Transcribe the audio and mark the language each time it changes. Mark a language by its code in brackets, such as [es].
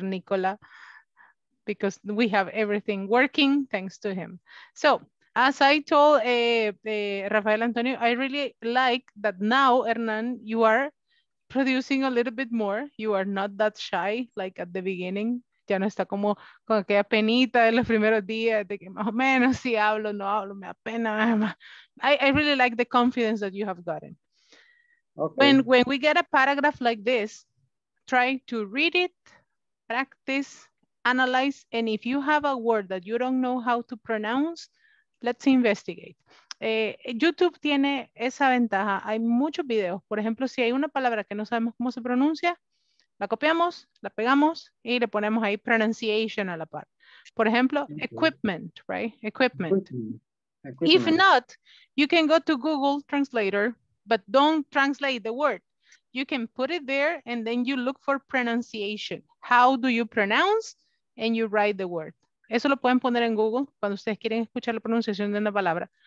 [en] Nicola, because we have everything working thanks to him. So, as I told Rafael Antonio, I really like that now, Hernan, you are producing a little bit more. You are not that shy like at the beginning. [es] Ya no está como con aquella penita de los primeros días, de que más o menos si hablo, no hablo, me apena. [en] I really like the confidence that you have gotten. Okay. When we get a paragraph like this, try to read it, practice, analyze, and if you have a word that you don't know how to pronounce, let's investigate. [es] YouTube tiene esa ventaja. Hay muchos videos. Por ejemplo, si hay una palabra que no sabemos cómo se pronuncia, la copiamos, la pegamos y le ponemos ahí pronunciation a la par. Por ejemplo, [en] equipment, right? Equipment. If not, you can go to Google Translator, but don't translate the word. You can put it there and then you look for pronunciation. How do you pronounce? And you write the word. [es] Eso lo pueden poner en Google cuando ustedes quieren escuchar la pronunciación de una palabra.